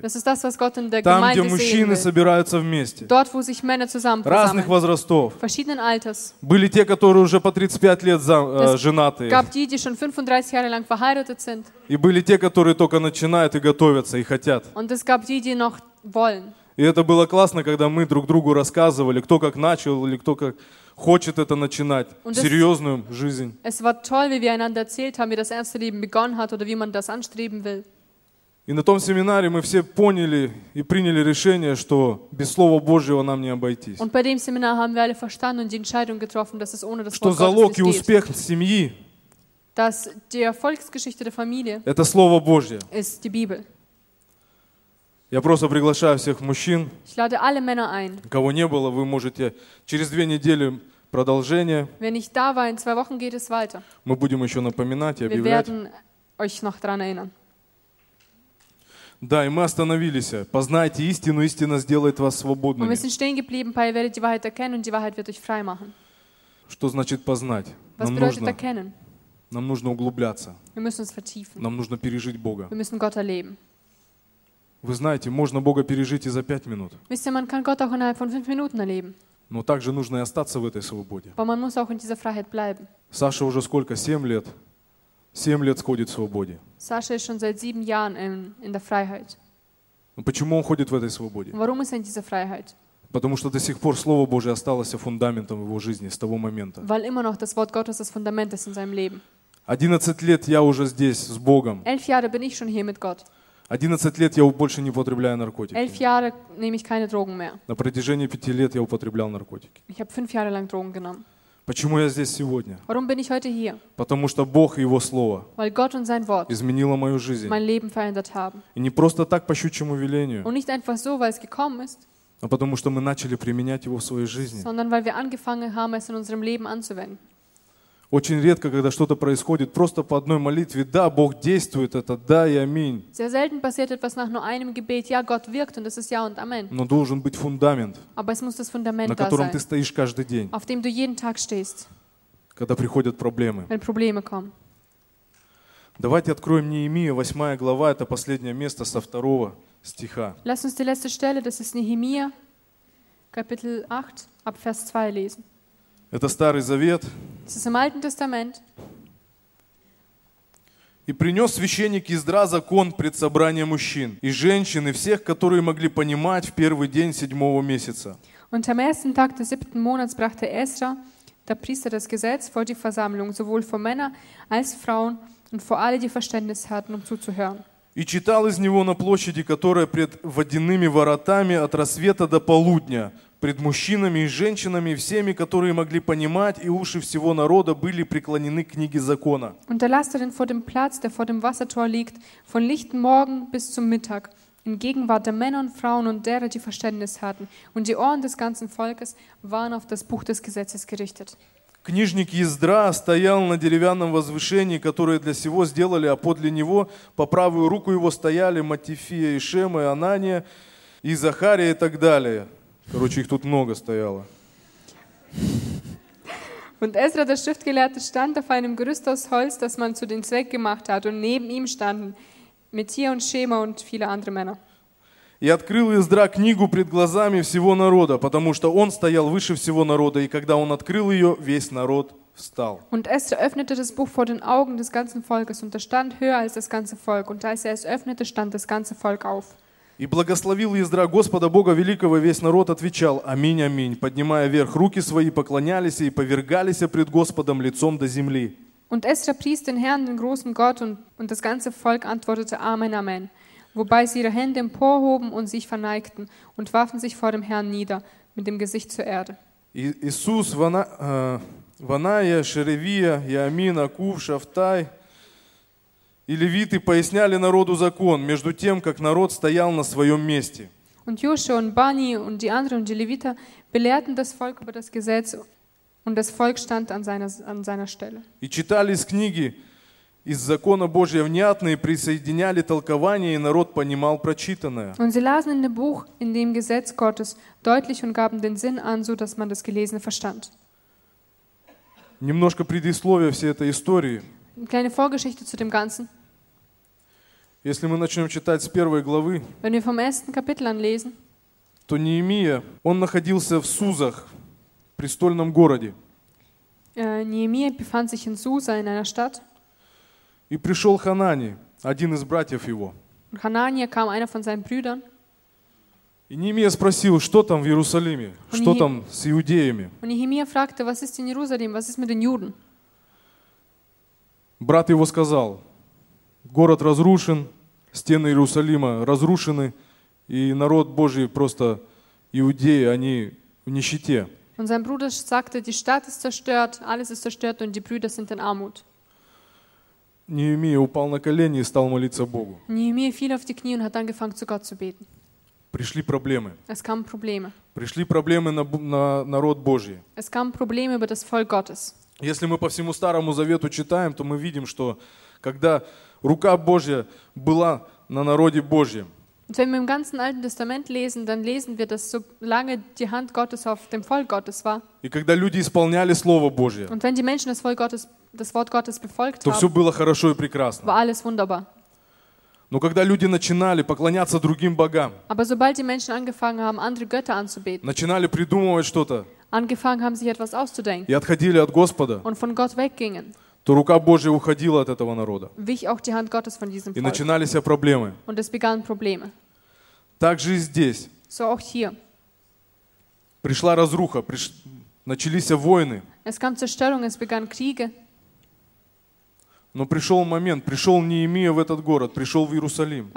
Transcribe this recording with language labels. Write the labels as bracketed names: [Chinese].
[German] Das ist das, was Gott in der [Russian] Там, [German] Gemeinde [Russian] где мужчины [German] sehen will. [Russian] Собираются вместе. [German] Dort, wo sich Männer zusammen [Russian] Разных возрастов. [German] Verschiedenen Alters. [Russian] Были те, которые уже по 35 лет женаты. [German] Gab die, die schon 35 Jahre lang verheiratet sind. [Russian] И были те, которые только начинают и готовятся, и хотят. [German] Und es gab die, die noch wollen. [Russian] И это было классно, когда мы друг другу рассказывали, кто как начал или кто как... хочет это начинать [German] und [Russian] серьезную [German] es, [Russian] жизнь. [German] Es war toll, wie wir einander erzählt haben, wie das ernste Leben begonnen hat oder wie man das anstreben will. [Russian] И на том семинаре мы все поняли и приняли решение, что без Слова Божьего нам не обойтись. [German] Und bei dem Seminar haben wir alle verstanden und die Entscheidung getroffen, dass es ohne das [Russian] Что залог и успех семьи. [German] Dass die Erfolgsgeschichte der Familie. [Russian] Это Слово Божье. [German] Ist die Bibel. [Russian] Я просто приглашаю всех мужчин. [German] Ich lade alle Männer ein. [Russian] Кого не было, вы можете через две недели продолжение. [German] Wenn ich da war, in zwei Wochen geht es weiter. [Russian] Мы будем еще напоминать и [German] Wir [Russian] объявлять. [German] Werden euch noch dran erinnern. [Russian] Да, и мы остановились. Познайте истину, истина сделает вас свободными. [German] Und wir sind stehen geblieben, weil ihr werdet die Wahrheit erkennen und die Wahrheit wird euch frei machen. [Russian] Что значит познать? [German] Was [Russian] Нам [German] bedeutet erkennen? [Russian] Нам нужно углубляться. [German] Wir müssen uns vertiefen. [Russian] Нам нужно пережить Бога. [German] Wir müssen Gott erleben. [Russian] Вы знаете, можно Бога пережить и за пять минут. [German] Wisst ihr, man kann Gott auch innerhalb von fünf Minuten erleben. [Russian] Но также нужно и остаться в этой свободе. [German] Aber man muss auch in dieser Freiheit bleiben. [Russian] Саша уже сколько? Семь лет. Семь лет ходит в свободе. [German] Саша ist schon seit sieben Jahren in der Freiheit. [Russian] Но почему он ходит в этой свободе? [German] Warum ist er in dieser Freiheit? [Russian] Потому что до сих пор Слово Божие осталось фундаментом его жизни с того момента. [German] Weil immer noch das Wort Gottes das Fundament ist in seinem Leben. [Russian] 11 лет я уже здесь с Богом. [German] Elf Jahre bin ich schon hier mit Gott. [Russian] 11 лет я больше не употребляю наркотики. [German] 11 Jahre nehme ich keine Drogen mehr. [Russian] На протяжении 5 лет я употреблял наркотики. [German] Ich habe 5 Jahre lang Drogen genommen. [Russian] Почему я здесь сегодня? [German] Warum bin ich heute hier? [Russian] Потому что Бог и Его Слово [German] Weil Gott und sein Wort [Russian] изменило мою жизнь. [German] Mein Leben verändert haben. [Russian] И не просто так по щучьему велению. [German] Und nicht einfach so, weil es gekommen ist. [Russian] А потому что мы начали применять его в своей жизни. [German] Sondern weil wir angefangen haben, es in unserem Leben anzuwenden. [Russian] Очень редко, когда что-то происходит, просто по одной молитве, да, Бог действует это, да и аминь. [German] Sehr selten passiert etwas nach nur einem Gebet, ja, Gott wirkt und es ist ja und amen. [Russian] Но должен быть фундамент, [German] Aber es muss das Fundament [Russian] на котором [German] da [Russian] ты [German] sein, [Russian] стоишь каждый день, [German] auf dem du jeden Tag stehst, [Russian] когда приходят проблемы. [German] Wenn Probleme kommen. [Russian] Давайте откроем Неемию, 8 глава, это последнее место со 2 стиха. [German] Lass uns die letzte Stelle, das ist Nehemia, Kapitel 8, ab Vers 2 lesen. [Russian] Это Старый Завет. [German] Es ist im Alten Testament. [Russian] И принес священник Ездра закон пред собранием мужчин и женщин и всех, которые могли понимать в первый день седьмого месяца. [German] Und am ersten Tag des siebten Monats brachte Ezra, der Priester, das Gesetz vor die Versammlung, sowohl vor Männer als Frauen und vor alle, die Verständnis hatten, um zuzuhören. [Russian] И читал из него на площади, которая пред водяными воротами от рассвета до полудня. Пред мужчинами и женщинами, всеми, которые могли понимать, и уши всего народа были преклонены к книге закона. [German] Und er las darin vor dem Platz, der vor dem Wassertor liegt, von lichten Morgen bis zum Mittag, in Gegenwart der Männer und Frauen und derer, die Verständnis hatten. Und die Ohren des ganzen Volkes waren auf das Buch des Gesetzes gerichtet. [Russian] Книжник Ездра стоял на деревянном возвышении, которое для сего сделали, а подле него по правую руку его стояли Матифия, Ишема, Анания, и Захария и так далее. Короче, их тут много стояло. [German] Und Ezra, der Schriftgelehrte, stand auf einem Gerüst aus Holz, das man zu dem Zweck gemacht hat, und neben ihm standen Matthias und Schema und viele andere Männer. [Russian] И открыл Ездра книгу пред глазами всего народа, потому что он стоял выше всего народа, и когда он открыл ее, весь народ встал. [German] Und Ezra öffnete das Buch vor den Augen des ganzen Volkes, und er stand höher als das ganze Volk, und als er es öffnete, stand das ganze Volk auf. [Russian] И благословил Ездра Господа Бога Великого, весь народ отвечал: «Аминь, аминь», поднимая вверх руки свои, поклонялись и повергались пред Господом лицом до земли. [German] Und Ezra pries den Herrn, den großen Gott, und das ganze Volk antwortete: «Amen, amen», wobei sie ihre Hände emporhoben und sich verneigten und warfen sich vor dem Herrn nieder mit dem Gesicht zur Erde. [Russian] Иисус, Ванайя, Шеревия, Яамин, Акув, Шафтай и левиты поясняли народу закон, между тем, как народ стоял на своем месте. [German] Und Joshua und Bani und die anderen und die Leviter belehrten das Volk über das Gesetz und das Volk stand an seiner Stelle. [Russian] И читали из книги из закона Божия внятные, присоединяли толкование, и народ понимал прочитанное. [German] Und sie lasen in dem Buch, in dem Gesetz Gottes, deutlich und gaben den Sinn an, so dass man das Gelesene verstand. [Russian] Немножко предисловия всей этой истории. [German] Kleine Vorgeschichte zu dem Ganzen. [Russian] Если мы начнем читать с первой главы, [German] wenn wir vom ersten Kapitel anlesen, [Russian] то Неемия, он находился в Сузах, престольном городе. [German] Неемия befand sich in Susa, in einer Stadt. [Russian] И пришел Ханани, один из братьев его. [German] Ханания kam einer von seinen Brüdern. [Russian] И Неемия спросил, что там в Иерусалиме, что там с иудеями. [German] Und Nehemia fragte, was ist in Jerusalem, was ist mit den Juden? [Russian] Брат его сказал: город разрушен, стены Иерусалима разрушены, и народ Божий просто иудеи, они в нищете. [German] Und sein Bruder sagte, die Stadt ist zerstört, alles ist zerstört und die Brüder sind in Armut. [Russian] Неемия упал на колени и стал молиться Богу. [German] Неемия fiel auf die Knie und hat angefangen zu Gott zu beten. [Russian] Пришли проблемы. [German] Es kamen Probleme. [Russian] Пришли проблемы на народ Божий. [German] Es kamen Probleme über das Volk Gottes. [Russian] Если мы по всему Старому Завету читаем, то мы видим, что когда рука Божья была на народе Божьем. [German] Und wenn wir im ganzen Alten Testament lesen, dann lesen wir, dass solange die Hand Gottes auf dem Volk Gottes war. [Russian] И когда люди исполняли Слово Божье. [German] Und wenn die Menschen das Volk Gottes das Wort Gottes befolgt [Russian] то все было хорошо и прекрасно. [German] War alles wunderbar. [Russian] Но когда люди начинали поклоняться другим богам, [German] aber sobald die Menschen angefangen haben, andere Götter anzubeten, [Russian] начинали придумывать что-то, [German] angefangen haben, sich etwas auszudenken, [Russian] и отходили от Господа, [German] und von Gott weggingen, [Russian] то рука Божья уходила от этого народа, [German] wich auch die Hand Gottes von diesem Volk, [Russian] и начинались проблемы, [German] und es begannen Probleme. [Russian] Так же и здесь. [German] So auch hier. [Russian] Пришла разруха, начались войны. [German] Es kam Zerstörung, es begannen Kriege. [Russian] Но пришел момент, пришел Неемия в этот город, пришел в Иерусалим.